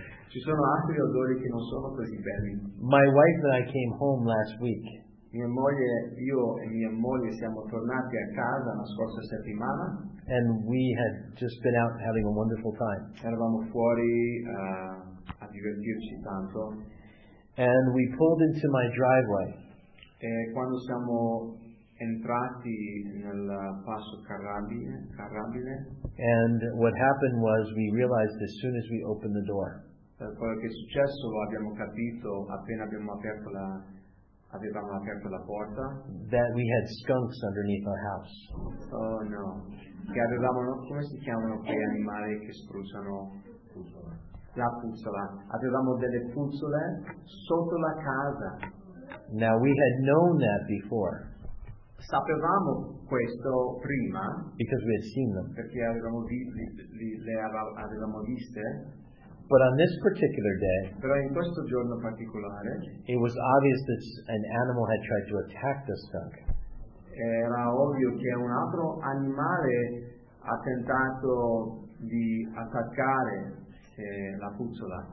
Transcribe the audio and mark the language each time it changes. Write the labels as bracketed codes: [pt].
[it] Ci sono altri odori che non sono così belli. [en] My wife and I came home last week. [it] Mia moglie, io e mia moglie siamo tornati a casa la scorsa settimana. [en] And we had just been out having a wonderful time. [it] Eravamo fuori a divertirci tanto. [en] And we pulled into my driveway. [it] E quando siamo entrati nel passo carrabile. [en] And what happened was we realized as soon as we opened the door. [it] Quello che è successo lo abbiamo capito appena avevamo aperto la porta. [en] That we had skunks underneath our house. Oh no. [it] Che avevamo, come si chiamano quei animali che spruzzano? La puzzola. Avevamo delle puzzole sotto la casa. [en] Now we had known that before. [it] Sapevamo questo prima. [en] Because we had seen them. [it] Perché le avevamo viste. [en] But on this particular day, [it] però in questo giorno particolare, [en] it was obvious that an animal had tried to attack the skunk. [it] Era ovvio che un altro animale ha tentato di attaccare la puzzola.